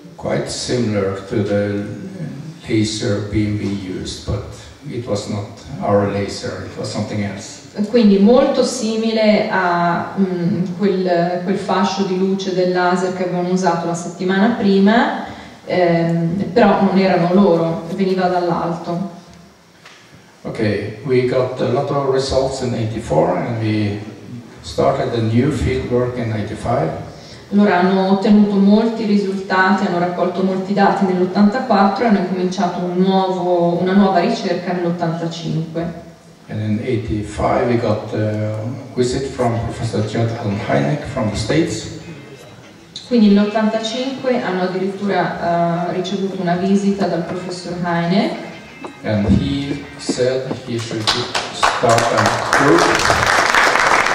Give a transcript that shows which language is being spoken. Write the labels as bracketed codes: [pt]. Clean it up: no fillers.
[en] Quite similar to the laser beam we used, but it was not our laser, it was something else. [it] Quindi molto simile a quel fascio di luce del laser che avevano usato la settimana prima. Però non erano loro, veniva dall'alto. [en] Okay, we got a lot of results in 84 and we started a new field work in 85. [it] Allora hanno ottenuto molti risultati, hanno raccolto molti dati nell'84 e hanno cominciato una nuova ricerca nell'85. [en] And in 85 we got a visit from Professor Judd Allen Hynek from the States. [it] Quindi nell'85 hanno addirittura ricevuto una visita dal professor Heine. [en] And he said he should start a group.